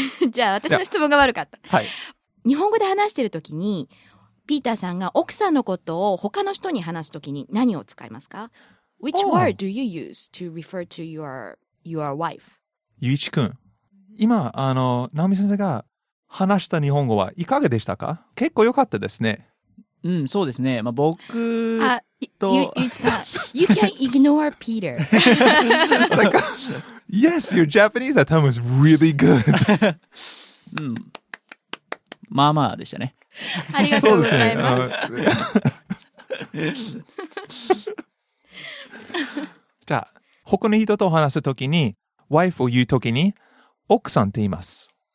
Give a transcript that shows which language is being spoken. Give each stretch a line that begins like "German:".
Japanese: じゃあ私の質問が悪かった。はい。日本語で話してるときに、ピーターさんが奥さんのことを他の人に話すときに何を使いますか？
English: Which word do you use to refer to your wife?
Japanese: ゆいちくん。今、ナオミ先生が話した日本語はいかがでしたか？結構良かったですね。うん、そうですね。まあ、僕と…
English: You can't ignore Peter. like, yes, your Japanese at time was really good. 、
Japanese: うん、まあまあでしたね。ありがとうございます。そうですね、じゃあ、他の人と話すときに、wife を言うときに、奥さんって言います。